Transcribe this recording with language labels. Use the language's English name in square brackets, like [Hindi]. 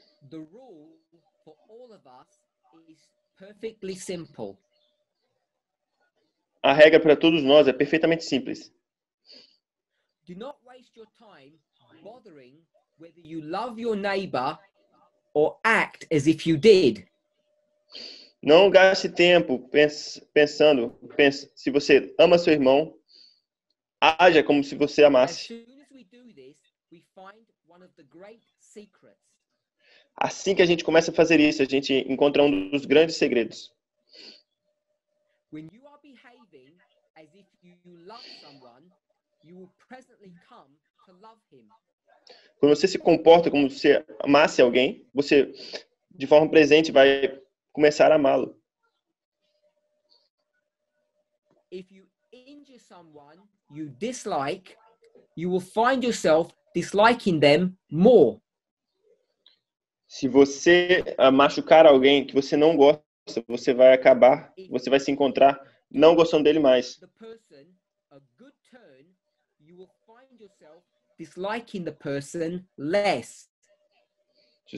[English] The rule for all of us is perfectly simple. [Portuguese] A regra para todos nós é perfeitamente simples. [English] Do not waste your time bothering whether you love your neighbor or act as if you did. [Portuguese] Não gaste tempo pensando se você ama seu irmão, haja como se você amasse. [English] As soon as we do this, we find one of the great secrets. [Portuguese] Assim que a gente começa a fazer isso, a gente encontra um dos grandes segredos. [English] When you are behaving as if you love someone, you will presently come to love him. [Portuguese] Quando você se comporta como se você amasse alguém, você, de forma presente, vai começar a amá-lo. [English] If you injure someone you dislike, you will find yourself disliking them more. [Portuguese] Se você machucar alguém que você não gosta, você vai se encontrar não gostando dele mais. Se